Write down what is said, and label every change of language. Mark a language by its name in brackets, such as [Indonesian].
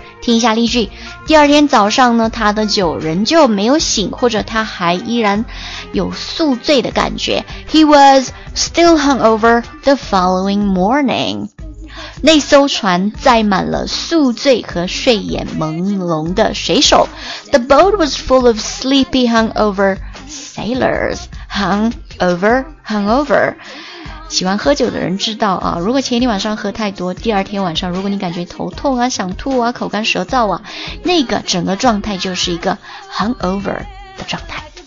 [Chinese] 听一下例句，第二天早上呢，他的酒仍旧没有醒，或者他还依然有宿醉的感觉。 [English] He was still hungover the following morning. [Chinese] 那艘船载满了宿醉和睡眼朦胧的水手。 [English] The boat was full of sleepy hungover sailors. Hungover. [Chinese] 喜欢喝酒的人知道啊，如果前一天晚上喝太多，第二天晚上如果你感觉头痛啊、想吐啊、口干舌燥啊，那个整个状态就是一个 hungover 的状态。